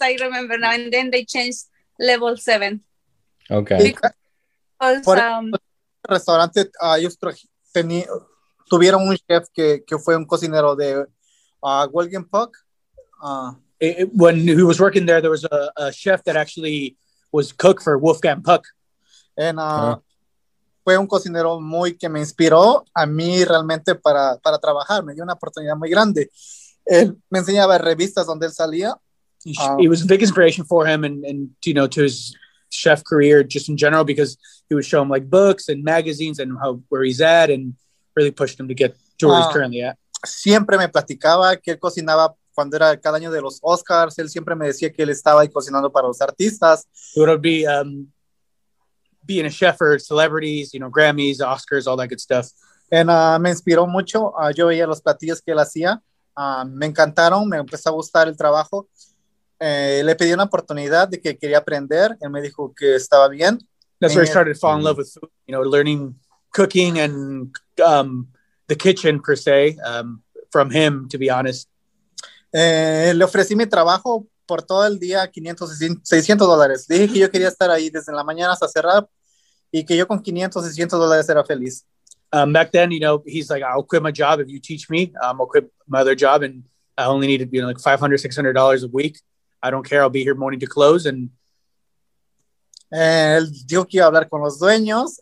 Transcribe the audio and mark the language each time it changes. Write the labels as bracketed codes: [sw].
[en] I remember now, and then they changed Label 7. Okay. Because [es] restaurante, ellos tuvieron un chef que fue un cocinero de Wilkin Puck. [en] When he was working there, there was a chef that actually was cook for Wolfgang Puck. [es] And fue un cocinero muy que me inspiró a mí realmente para trabajar. Me dio una oportunidad muy grande. Él me enseñaba revistas donde él salía. [en] He was a big inspiration for him and to his chef career just in general, because he would show him like books and magazines and where he's at, and really pushed him to get to where he's currently at. [es] Siempre me platicaba que él cocinaba. Cuando era cada año de los Oscars, él siempre me decía que él estaba ahí cocinando para los artistas. [en] It would be being a chef for celebrities, you know, Grammys, Oscars, all that good stuff. [es] And me inspiró mucho. Yo veía los platillos que él hacía. Me encantaron. Me empezó a gustar el trabajo. Le pedí una oportunidad de que quería aprender. Él me dijo que estaba bien. [en] That's where I started to fall in love with food, you know, learning cooking and the kitchen, per se, from him, to be honest. [es] Le ofrecí mi trabajo por todo el día, $500, $600. Dije que yo quería estar ahí desde la mañana hasta cerrar y que yo con $500, $600 era feliz. [en] Back then, you know, he's like, I'll quit my job if you teach me. I'll quit my other job and I only need, you know, like $500, $600 a week. I don't care. I'll be here morning to close. And [es] él dijo que iba a hablar con los dueños.